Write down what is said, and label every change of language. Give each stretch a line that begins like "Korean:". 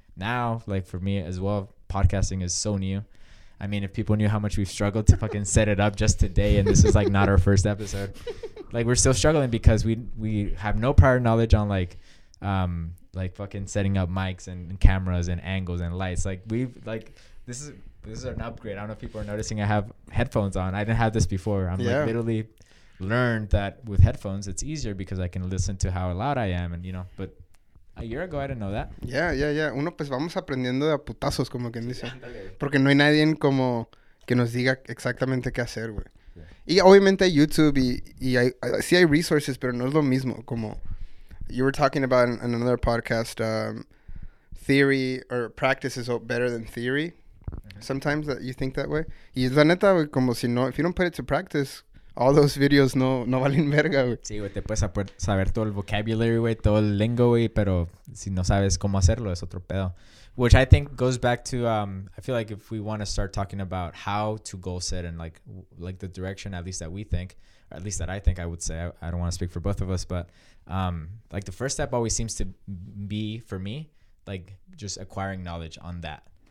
English: Now, like for me as well, podcasting is so new. I mean, if people knew how much we've struggled to fucking set it up just today, and this is like not our first episode, like we're still struggling because we have no prior knowledge on like fucking setting up mics and cameras and angles and lights. Like this is an upgrade. I don't know if people are noticing. I have headphones on. I didn't have this before. I'm literally learned that with headphones, it's easier because I can listen to how loud I am. And, you know, but a year ago, I didn't know that. Yeah.
Spanish: Uno, pues vamos aprendiendo de a putazos, como quien dice. Porque no hay nadie como que nos diga exactamente qué hacer, güey. Yeah. Y obviamente YouTube y hay resources, pero no es lo mismo. Como
English: you were talking about in another podcast, theory or practice is better than theory. Sometimes that you think that way.
Spanish: Y la neta, güey, como si no,
English: if you don't put it to practice, all those videos
Spanish: no valen verga, güey. Sí, güey, te puedes saber todo el vocabulary, güey, todo el lingo, güey, pero si no sabes cómo hacerlo, es otro pedo.
English: Which I think goes back to, I feel like if we want to start talking about how to goal set and like the direction, at least that we think, or at least that I think I would say, I don't want to speak for both of us, but like the first step always seems to be, for me, like just acquiring knowledge on that.